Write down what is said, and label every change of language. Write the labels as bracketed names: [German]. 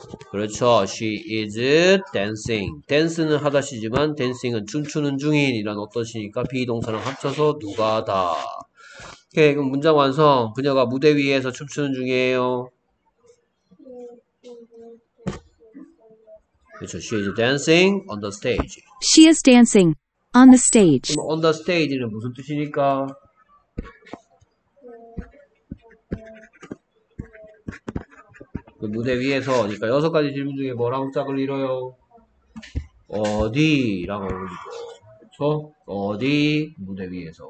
[Korean] 그렇죠. [English] She is dancing. [Korean] 댄스는 하다시지만 댄싱은 춤추는 중인이란 어떤 시니까 비동사랑 합쳐서 누가다. 오케이. 그럼 문장 완성. 그녀가 무대 위에서 춤추는 중이에요. 그렇죠. [English] She is dancing on the stage. She is dancing on the stage. [Korean] 그럼 [English] on the stage [Korean] 는 무슨 뜻이니까? 그 무대 위에서, 그러니까 여섯 가지 질문 중에 뭐랑 짝을 이뤄요? 어디랑 어울리죠. 그렇죠? 어디? 무대 위에서.